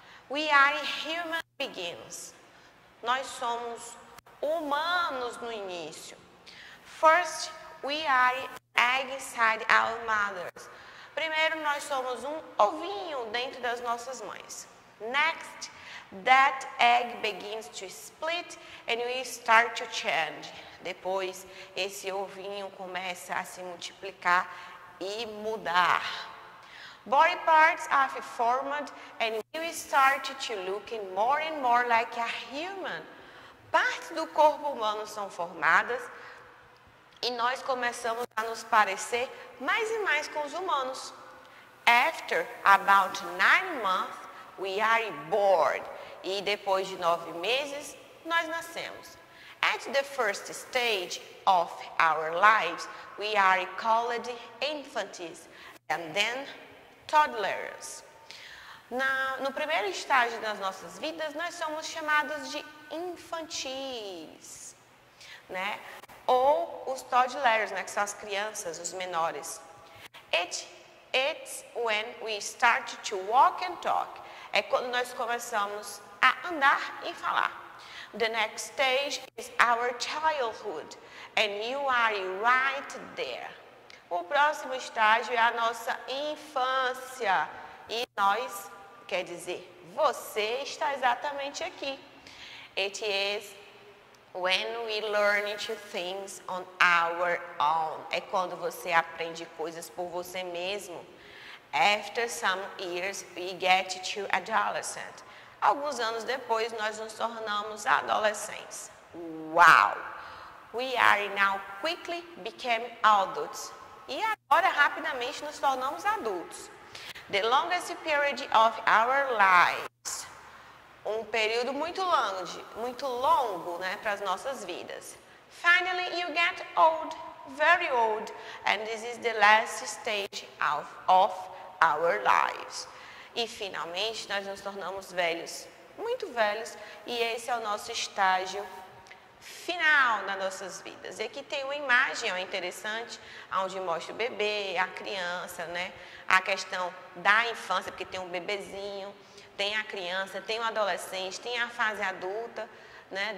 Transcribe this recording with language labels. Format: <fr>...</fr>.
<en>We are human begins.</en> <pt>Nós somos humanos no início.</pt> <en>First, we are egg inside our mothers.</en> <pt>Primeiro, nós somos um ovinho dentro das nossas mães.</pt> <en>Next, that egg begins to split and we start to change.</en> <pt>Depois, esse ovinho começa a se multiplicar e mudar.</pt> <en>Body parts are formed and you start to look more and more like a human.</en> <pt>Partes do corpo humano são formadas e nós começamos a nos parecer mais e mais com os humanos.</pt> <en>After about 9 months, we are born.</en> <pt>E depois de 9 meses, nós nascemos.</pt> <en>At the first stage of our lives, we are called infants and then toddlers.</en> <pt>No primeiro estágio das nossas vidas, nós somos chamados de infantis, né? Ou os toddlers, né? Que são as crianças, os menores.</pt> <en>It's when we start to walk and talk.</en> <pt>É quando nós começamos a andar e falar.</pt> <en>The next stage is our childhood, and you are right there.</en> <pt>O próximo estágio é a nossa infância. E nós, quer dizer, você está exatamente aqui.</pt> <en>It is when we learn things on our own.</en> <pt>É quando você aprende coisas por você mesmo.</pt> <en>After some years, we get to adolescent.</en> <pt>Alguns anos depois, nós nos tornamos adolescentes. Wow!</pt> <en>We are now quickly became adults.</en> <pt>E agora, rapidamente, nos tornamos adultos.</pt> <en>The longest period of our lives.</en> <pt>Um período muito longo, né, para as nossas vidas.</pt> <en>Finally, you get old, very old. And this is the last stage of our lives.</en> <pt>E, finalmente, nós nos tornamos velhos, muito velhos. E esse é o nosso estágio final das nossas vidas. E aqui tem uma imagem, ó, interessante, onde mostra o bebê, a criança, né? A questão da infância, porque tem um bebezinho, tem a criança, tem o adolescente, tem a fase adulta, né?</pt>